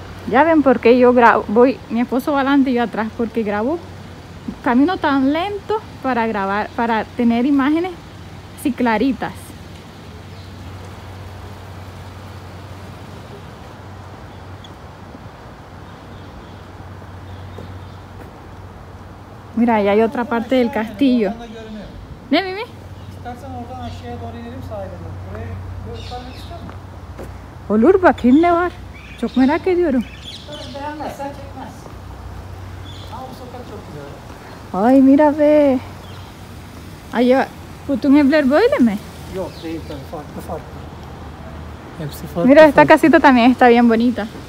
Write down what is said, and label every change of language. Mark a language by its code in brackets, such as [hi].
[es] Ya ven por qué yo grabo. Voy, mi esposo va adelante y yo atrás, porque grabo camino tan lento para grabar, para tener imágenes así claritas. Mira, ahí hay otra parte del castillo. [tr] Ne mi? İstersen oradan aşağıya doğru inelim sahibine. Buraya göstermek ister misin? Olur bakayım ne var. Çok merak ediyorum. Beğenmezsen çekmez. Ha, bu sokak çok güzel. [es] Ay mira be. [tr] Ay ya, bütün evler böyle mi? Yok değil tabii, farklı. Hepsi farklı. [es] Mira esta casita también está bien bonita.